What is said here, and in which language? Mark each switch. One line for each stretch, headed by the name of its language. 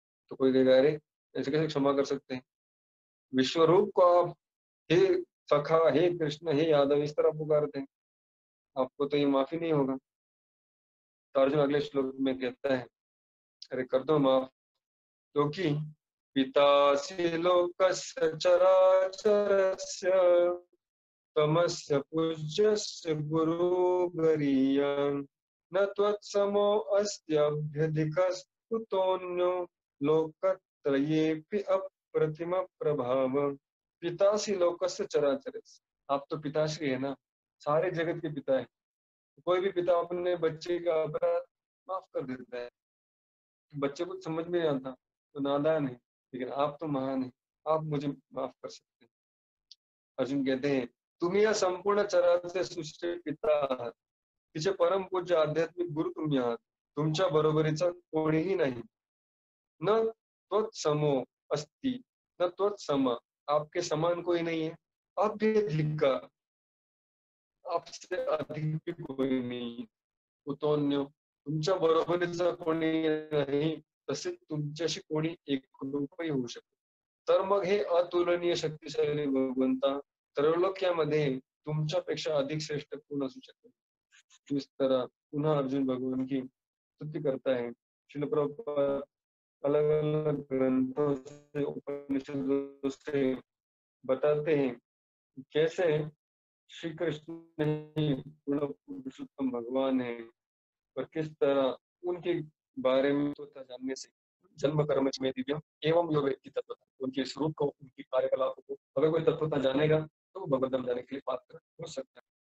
Hindi: तो कोई कहेगा अरे ऐसे कैसे क्षमा कर सकते हैं, विश्वरूप को आप हे सखा हे कृष्ण हे यादव इस तरह पुकारते हैं, आपको तो ये माफी नहीं होगा। तो अर्जुन अगले श्लोक में कहता है अरे कर दो माफ,
Sanskrit: क्योंकि पितासि लोकस्य चराचरस्य तमस्य पूज्यस्य गुरुवरीयं न त्वत्समो अस्य अभ्यधिकस्तुतोऽन्यो लोकत्रयेऽपि अप्रतिम प्रभाव। पितासि लोकस्य चराचरस्य,
Hindi: आप तो पिताश्री है ना, सारे जगत के पिता है। कोई भी पिता अपने बच्चे का अपराध माफ कर देता है, बच्चे को समझ में नहीं आता तो नादान है, लेकिन आप तो महान है, आप मुझे माफ कर सकते हैं। अर्जुन कहते हैं
Marathi: तुम यह संपूर्ण चराचर सृष्टि पिता आहत, तिचे परम पूज्य आध्यात्मिक गुरु तुम्ही आहात, तुमच्या बरोबरीचा कोणीही नाही।
Sanskrit: न त्वत समो अस्ति, न त्वत सम
Hindi: आपके समान कोई नहीं है, अभ्यधिक आपसे अधिक भी कोई नहीं, उतोन्य
Marathi: तुमच्या बरोबरीचा कोणी नाही, तसे तुमच्याशी कोणी एकरूपही होऊ शकत। तर मग हे अतुलनीय शक्तिशाली भगवंता त्रैलोक्यामध्ये तुमच्यापेक्षा अधिक श्रेष्ठ कोण असू शकतो?
Hindi: इस तरह पुनः अर्जुन भगवान की स्तुति करता है। श्रील प्रभुपाद अलग अलग ग्रंथों से उपनिषदों से बताते हैं कैसे श्री कृष्ण पूर्ण पुरुषोत्तम भगवान है, और किस तरह उनके बारे में तो जानने से जन्म कर्म में दिव्य एवं योग की तत्वता, उनके स्वरूप को, उनकी कार्यकलाप को अगर कोई तत्वता जानेगा तो भगवत धाम जाने के लिए पात्र हो सकता है।